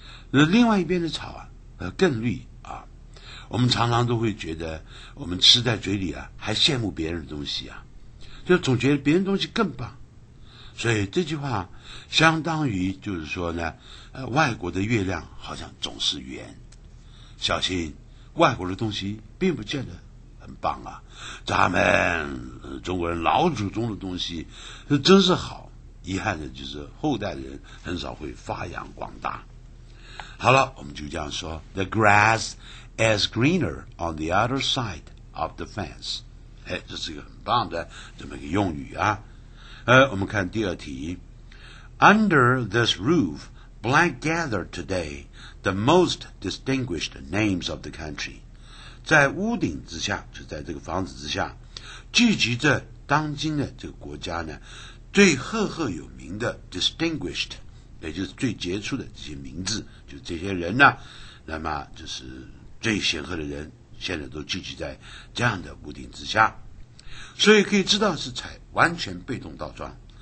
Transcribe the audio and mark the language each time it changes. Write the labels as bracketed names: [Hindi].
[Chinese] 那另外一边的草啊，更绿。我们常常都会觉得我们吃在嘴里啊，还羡慕别人的东西啊，就总觉得别人的东西更棒，所以这句话相当于就是说呢，外国的月亮好像总是圆，小心外国的东西并不见得很棒啊，咱们中国人老祖宗的东西真是好，遗憾的就是后代人很少会发扬光大。好了，我们就这样说 [English] The grassas greener on the other side of the fence. [Chinese] 哎，这是一个很棒的这么一个用语啊。我们看第二题。 [English] Under this roof, blank gathered today the most distinguished names of the country. [Chinese] 在屋顶之下，就在这个房子之下，聚集着当今的这个国家呢，最赫赫有名的 distinguished, 也就是最杰出的这些名字，就这些人呢，那么就是最显赫的人现在都聚集在这样的屋顶之下，所以可以知道是采完全被动倒装。